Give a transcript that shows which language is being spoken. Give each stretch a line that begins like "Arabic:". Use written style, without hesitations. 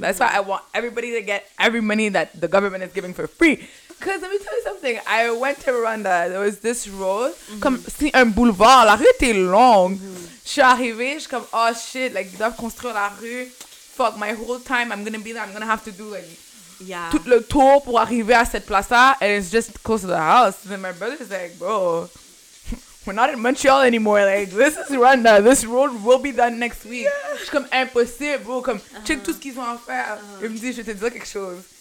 English: That's why I want everybody to get every money that the government is giving for free. Because let me tell you something. I went to Rwanda. There was this road. Mm-hmm.
French: Comme, c'est un boulevard. La rue était longue. Mm-hmm. Je suis arrivée. Je suis comme,
English: oh shit.
French: Like, ils doivent construire la rue.
English: Fuck, my whole time, I'm going to be there. I'm going to have to do like, yeah,
French: tout le tour pour arriver à cette place-là.
English: And it's just close to the house. And then my brother's like, bro, we're not in Montreal anymore. Like, this is Rwanda. This road will be done next week. Yeah.
French: Je suis comme, impossible, bro. Comme, check tout ce qu'ils ont à faire. Uh-huh. Il me dit, je vais te dire quelque chose.